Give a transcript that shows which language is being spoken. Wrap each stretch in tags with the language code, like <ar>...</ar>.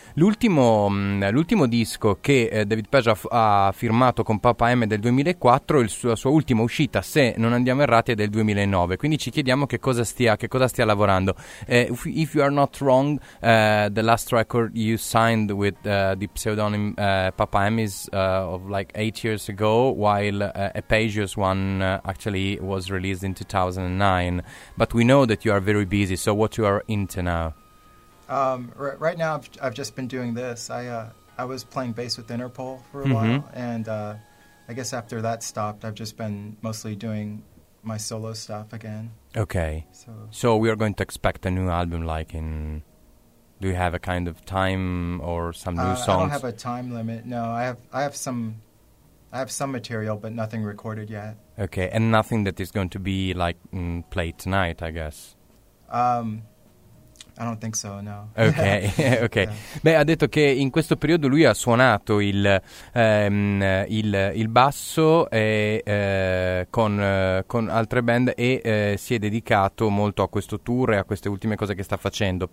<it>L'ultimo disco che David Page ha firmato con Papa M è del 2004, la sua ultima uscita, se non andiamo errati, è del 2009, quindi ci chiediamo che cosa stia lavorando.</it> <en>If you are not wrong, the last record you signed with the pseudonym Papa M is of like 8 years ago, while a Pages one actually was released in 2009. But we know that you are very busy, so what you are into now? Right now I've just been doing this. I was playing bass with Interpol for a mm-hmm. while, and I guess after that stopped, I've just been mostly doing my solo stuff again. Okay. So we are going to expect a new album, like in... Do you have a kind of time or some new songs? I don't have a time limit, no. I have some material, but nothing recorded yet. Okay, and nothing that is going to be, like, played tonight, I guess? I don't think so, no. Okay, okay. Yeah.</en> <it>Beh, ha detto che in questo periodo lui ha suonato il basso con altre band e si è dedicato molto a questo tour e a queste ultime cose che sta facendo.</it>